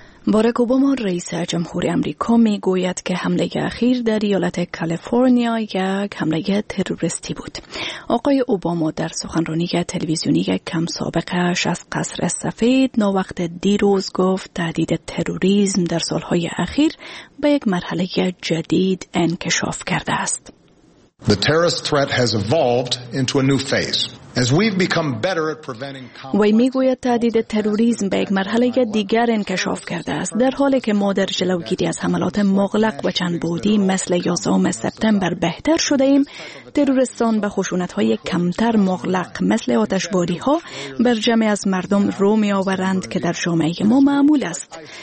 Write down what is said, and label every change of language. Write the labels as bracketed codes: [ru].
[fa] باراک اوباما رئیس جمهور آمریکا می گوید که حمله اخیر در ایالت کالیفرنیا یک حمله تروریستی بود. آقای اوباما در سخنرانی تلویزیونی کم سابقه اش از قصر سفید نوقت دیروز گفت تهدید تروریسم در سالهای اخیر به یک مرحله جدید انکشاف کرده است. [en] The terrorist threat has evolved into a new phase. As we've become better at preventing [fa] وی میگوید تهدید تروریسم به یک مرحله دیگر انکشاف کرده است. در حالی که ما در جلوگیری از حملات مغلق و چند بعدی مثل 11 سپتامبر بهتر شده ایم، تروریستان به خشونت‌های کمتر مغلق مثل آتشبازی‌ها بر جمعی از مردم رو می‌آورند که در جامعه ما معمول است.